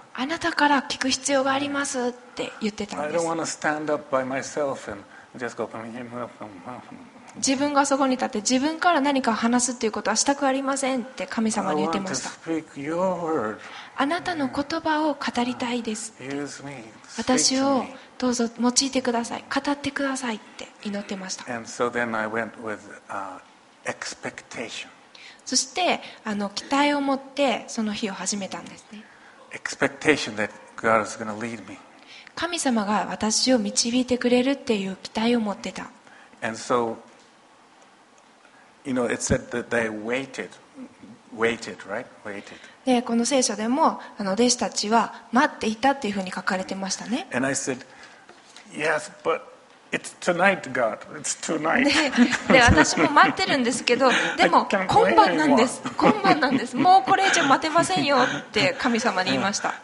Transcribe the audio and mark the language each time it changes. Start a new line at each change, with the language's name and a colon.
Japanese: あなたから聞く必要がありますって言ってたんです。
English: I don't want to stand up by myself and just go from him.
Japanese: 自分がそこに立って自分から何か話すということはしたくありませんって神様に言ってました。
English: I want to speak your word.
Japanese: あなたの言葉を語りたいですって。
English: Use me.
Japanese: 私をどうぞ用いてください。語ってくださいって祈ってました。
English: And so then I went with expectation.
Japanese: そして期待を持ってその日を始めたんですね。
English: Expectation that God is going to lead me.
Japanese: 神様が私を導いてくれるっていう期待を持ってた。
English: And so, you know, it said that they waited, right? Waited.
Japanese: で、この聖書でも弟子たちは待っていたっていうふうに書かれてましたね。
English: And I said, yes, but. It's tonight, God. It's tonight.
Japanese: で、私も待ってるんですけど、でも今晩なんです。今晩なんです。もうこれ以上待てませんよって神様に言いました。